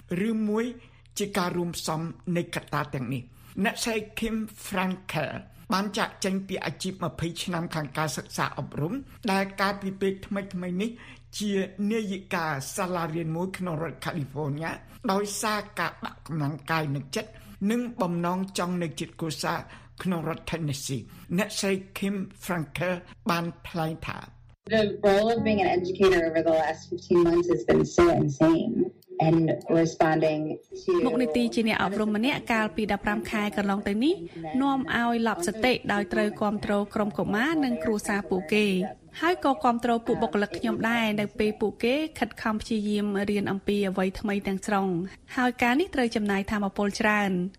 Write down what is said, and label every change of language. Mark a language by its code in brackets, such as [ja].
[km] ឬមួយជាការរួមផ្សំនៃកត្តាទាំងនេះអ្នកស្រី Kim Frankel បានចាក់ចេញពីអាជីព20ឆ្នាំខាងការសិក្សាអប់រំដែលកាលពីពេលថ្មីនេះជានាយិកាសាលារៀនមួយក្នុងរដ្ឋ California ដោយសារការបាក់កម្លាំងកាយនិងចិត្តនិងបំណងចង់នៅជិតគូសាក្នុងរដ្ឋ Tennessee អ្នកស្រី Kim Frankel បានថ្លែងថា [en] The role of being an educator over the last 15 months has been so insane. [km] មុខនីតិជាអ្នកអប់រំម្នាក់កាលពី15ខែកន្លងទៅនេះនាំឲ្យឡប់សតិដោយត្រូវគ្រប់គ្រងក្រុមកុមារនិងគ្រួសារពួកគេហើយក៏គ្រប់គ្រងពួកបុគ្គលិកខ្ញុំដែរនៅពេលពួកគេខិតខំព្យាយាមរៀនអំពីអ្វីថ្មីទាំងស្រុងហើយការនេះត្រូវចំណាយធម៌ពលច្រើន